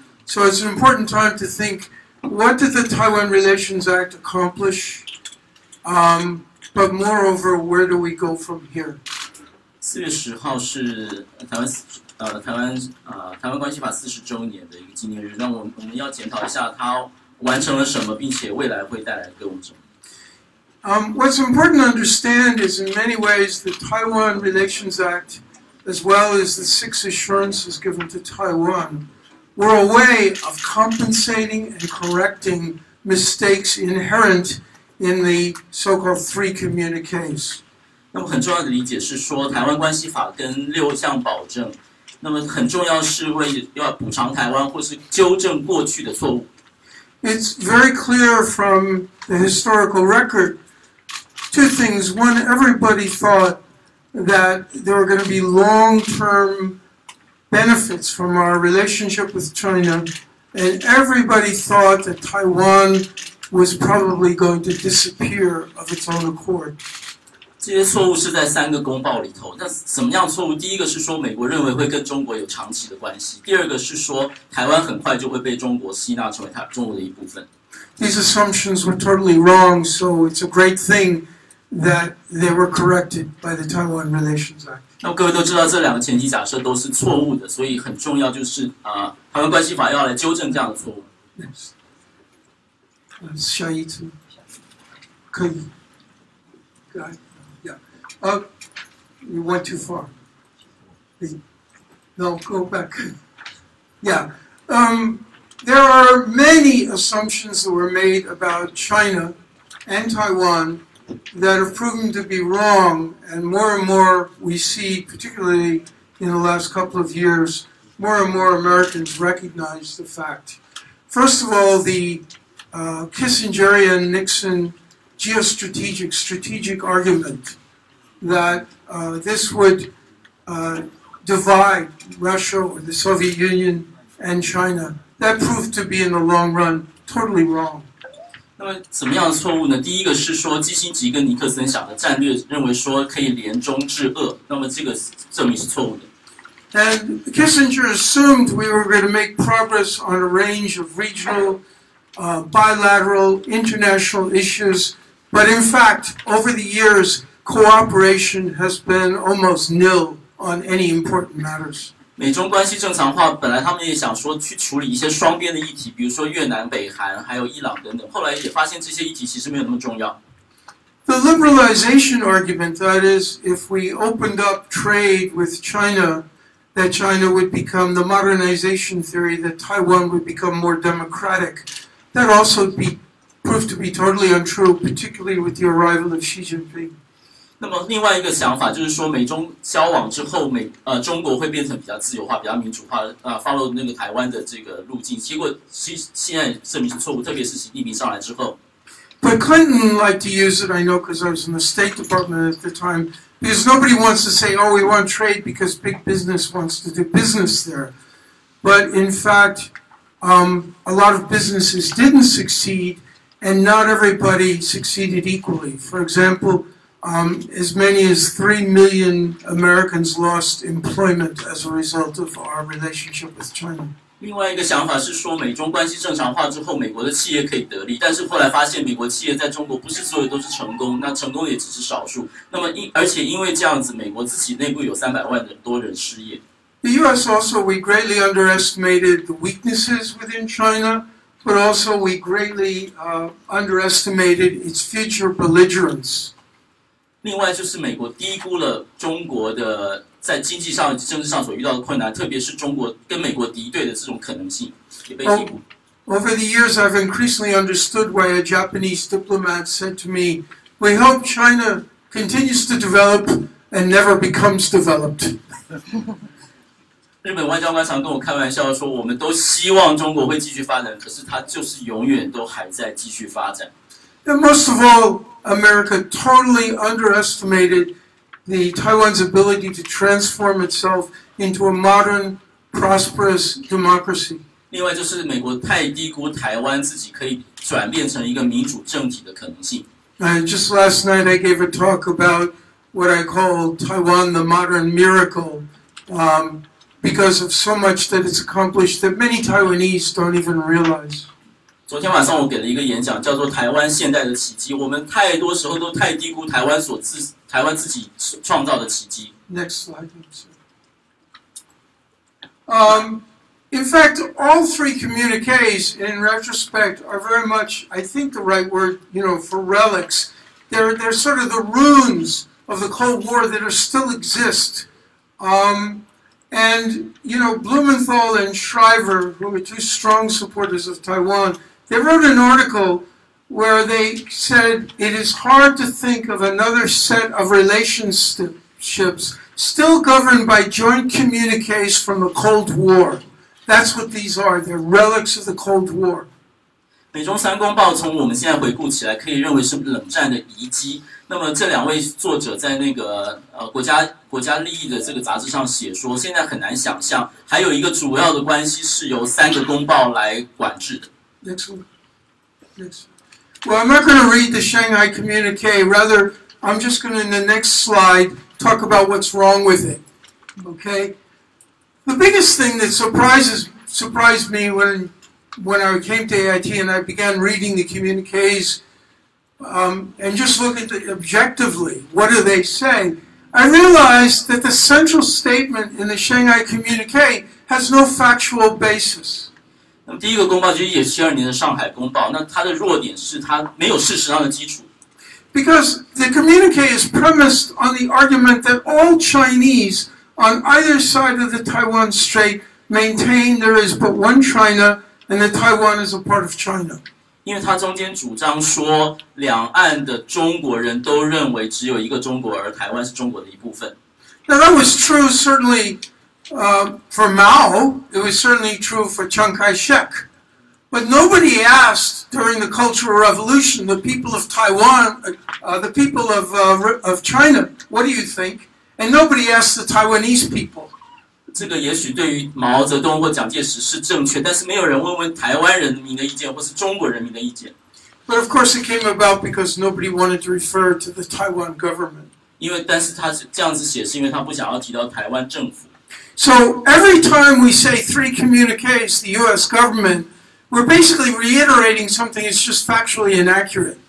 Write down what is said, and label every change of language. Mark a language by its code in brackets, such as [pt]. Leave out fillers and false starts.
[en] So it's an important time to think, what did the Taiwan Relations Act accomplish? But moreover, where do we go from here? [zh] 4月10号是台湾关系法40周年的一个纪念日，那我们要检讨一下它完成了什么，并且未来会带来给我们什么。 [en] What's important to understand is in many ways the Taiwan Relations Act. As well as the 6 assurances given to Taiwan, were a way of compensating and correcting mistakes inherent in the so-called 3 communiques. [zh] 那么很重要的理解是说，台湾关系法跟6项保证，那么很重要是为要补偿台湾或是纠正过去的错误。 [en] It's very clear from the historical record. 2 things: one, everybody thought. That there are going to be long-term benefits from our relationship with China, and everybody thought that Taiwan was probably going to disappear of its own accord. [zh] 这些错误是在三个公报里头。那什么样错误？第一个是说美国认为会跟中国有长期的关系。第二个是说台湾很快就会被中国吸纳成为中国的一部分。 [en] These assumptions were totally wrong, so it's a great thing. That they were corrected by the Taiwan Relations Act. [zh] 那各位都知道这两个前提假设都是错误的，所以很重要就是台湾关系法要来纠正这样的错误。 [en] Yes. [zh] 下一次可以。 [en] Yeah. You went too far. No, go back. Yeah. There are many assumptions that were made about China and Taiwan. That have proven to be wrong, and more we see, particularly in the last couple of years, more and more Americans recognize the fact. First of all, the Kissingerian Nixon strategic argument that this would divide Russia or the Soviet Union and China, that proved to be in the long run totally wrong. [zh] 那么什么样的错误呢？第一个是说基辛吉跟尼克森想的战略，认为说可以联中制俄，那么这个证明是错误的。 [en] And Kissinger assumed we were going to make progress on a range of regional, bilateral, international issues, but in fact, over the years, cooperation has been almost nil on any important matters. [zh] 美中关系正常化，本来他们也想说去处理一些双边的议题，比如说越南、北韩，还有伊朗等等。后来也发现这些议题其实没有那么重要。 [en] The liberalization argument, that is, if we opened up trade with China, that China would become the modernization theory, that Taiwan would become more democratic. That also proved to be totally untrue, particularly with the arrival of Xi Jinping. [zh] 那么另外一个想法就是说，美中交往之后，中国会变成比较自由化、比较民主化，follow 那个台湾的这个路径。结果现在证明是错误，特别是习近平上来之后。 [en] But Clinton liked to use it, I know, because I was in the State Department at the time, because nobody wants to say, oh, we want trade because big business wants to do business there. But in fact, a lot of businesses didn't succeed, and not everybody succeeded equally. For example, as many as 3 million Americans lost employment as a result of our relationship with China. [zh] 另外一个想法是说，美中关系正常化之后，美国的企业可以得利，但是后来发现美国企业在中国不是所有都是成功，那成功也只是少数。那么而且因为这样子，美国自己内部有300万多人失业。 [en] The U.S. also, we greatly underestimated the weaknesses within China, but also we greatly underestimated its future belligerence. [zh] 另外就是美国低估了中国的在经济上、政治上所遇到的困难，特别是中国跟美国敌对的这种可能性也被低估。 [en] Over the years, I've increasingly understood why a Japanese diplomat said to me, "We hope China continues to develop and never becomes developed." [zh] 日本外交官常跟我开玩笑说，我们都希望中国会继续发展，可是它就是永远都还在继续发展。 [en] And most of all, America totally underestimated the Taiwan's ability to transform itself into a modern, prosperous democracy. [zh] 另外就是美国太低估台湾自己可以转变成一个民主政体的可能性。 [en] And just last night I gave a talk about what I call Taiwan the modern miracle. Because of so much that it's accomplished that many Taiwanese don't even realize. [zh] 昨天晚上我给了一个演讲，叫做《台湾现代的奇迹》。我们太多时候都太低估台湾所自台湾自己创造的奇迹。 [en] Next slide. In fact, all three communiques, in retrospect, are very much, I think, the right word, you know, for relics. They're sort of the ruins of the Cold War that are still exist. And, you know, Blumenthal and Shriver, who were two strong supporters of Taiwan, they wrote an article where they said it is hard to think of another set of relationships still governed by joint communiques from the Cold War. That's what these are. They're relics of the Cold War. [zh] 美中三公报从我们现在回顾起来可以认为是冷战的遗迹。那么这两位作者在那个国家利益的这个杂志上写说，现在很难想象还有一个主要的关系是由三个公报来管制的。 [en] Well, I'm not going to read the Shanghai communique. Rather, I'm just going to, in the next slide, talk about what's wrong with it. Okay. The biggest thing that surprised me when I came to AIT and I began reading the communiques. And just look at it objectively, what are they saying? I realized that the central statement in the Shanghai communique has no factual basis. [zh] 那么第一个公报就是1972年的上海公报，那它的弱点是它没有事实上的基础。 [en] Because the communique is premised on the argument that all Chinese on either side of the Taiwan Strait maintain there is but one China and that Taiwan is a part of China. [zh] 因为他中间主张说，两岸的中国人都认为只有一个中国，而台湾是中国的一部分。 [en] Now that was true certainly, for Mao. It was certainly true for Chiang Kai-shek. But nobody asked during the Cultural Revolution the people of Taiwan, the people of China, what do you think? And nobody asked the Taiwanese people. [zh] 这个也许对于毛泽东或蒋介石是正确，但是没有人问问台湾人民的意见，或是中国人民的意见。 [en] But of course, it came about because nobody wanted to refer to the Taiwan government. [zh] 因为，但是他这样子写，是因为他不想要提到台湾政府。 [en] So every time we say three communiques, the U.S. government, we're basically reiterating something that's just factually inaccurate.